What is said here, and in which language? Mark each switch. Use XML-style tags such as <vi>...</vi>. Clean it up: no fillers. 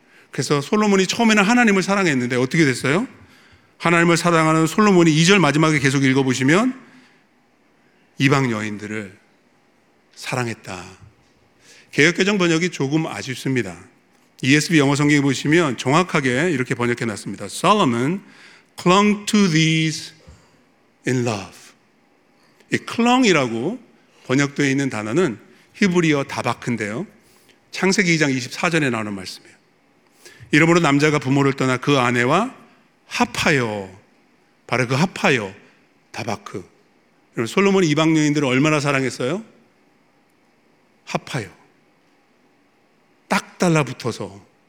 <ko>그래서 솔로몬이 처음에는 하나님을 사랑했는데 어떻게 됐어요? 하나님을 사랑하는 솔로몬이 2절 마지막에 계속 읽어보시면 이방 여인들을 사랑했다. 개역개정 번역이 조금 아쉽습니다. ESV 영어성경에 보시면 정확하게 이렇게 번역해놨습니다.</ko> <en>Solomon clung to these in love.</en> <ko>이 clung이라고 번역되어 있는 단어는 히브리어 다바크인데요, 창세기 2장 24절에 나오는 말씀이에요. 이러므로 남자가 부모를 떠나 그 아내와 합하여, 바로 그 합하여 다바크. 여러분, 솔로몬이 이방 여인들을 얼마나 사랑했어요? 합하여, 딱 달라붙어서.</ko>